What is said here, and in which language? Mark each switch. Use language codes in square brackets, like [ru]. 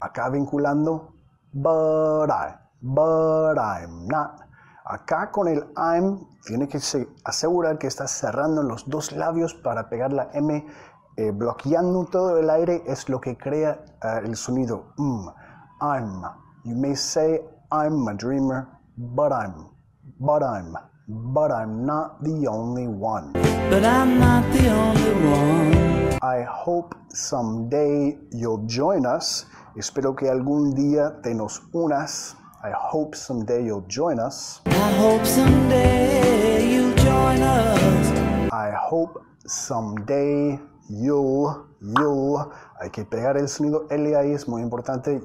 [es] Acá vinculando. [en] But I. But I'm not. [es] Acá con el I'm, tiene que asegurar que estás cerrando los dos labios para pegar la M. Bloqueando todo el aire es lo que crea el sonido. [en] I'm. You may say I'm a dreamer, but I'm. But I'm. But I'm not the only one. But I'm not the only one. I hope someday you'll join us. [es] Espero que algún día te nos unas. [en] I hope someday you'll join us. I hope someday you'll join us. I hope someday you'll. [es] Hay que pegar el sonido L ahí, es muy importante.